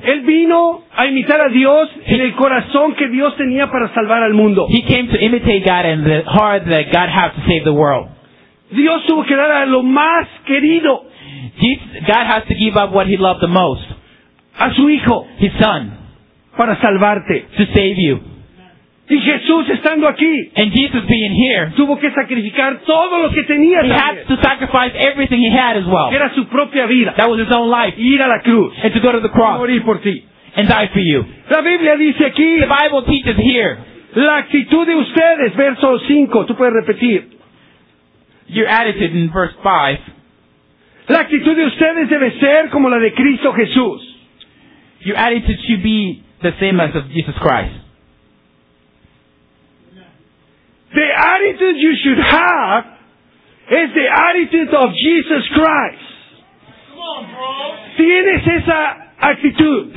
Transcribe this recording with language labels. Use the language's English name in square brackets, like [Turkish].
[Spanish] Él vino a imitar a Dios en el corazón que Dios tenía para salvar al mundo. [English] He came to imitate God in the heart that God had to save the world. [Spanish] Dios tuvo que dar a lo más querido. [English] God has to give up what he loved the most. [Spanish] A su hijo. [English] His son. [Spanish] Para salvarte. [English] To save you. [Spanish] Y Jesús estando aquí, [English] and Jesus being here, [Spanish] tuvo que sacrificar todo lo que tenía. [English] He had to sacrifice everything he had as well. [Spanish] Era su propia vida. [English] That was his own life. [Spanish] Ir a la cruz, [English] and to go to the cross, [Spanish] morir por ti, [English] and die for you. [Spanish] La Biblia dice aquí, [English] the Bible teaches here, [Spanish] la actitud de ustedes, verso 5, tú puedes repetir. [English] Your attitude in verse 5. [Spanish] La actitud de ustedes debe ser como la de Cristo Jesús. [English] Your attitude should be the same as of Jesus Christ. The attitude you should have is the attitude of Jesus Christ. Come on, bro. [Spanish] ¿Tienes esa actitud?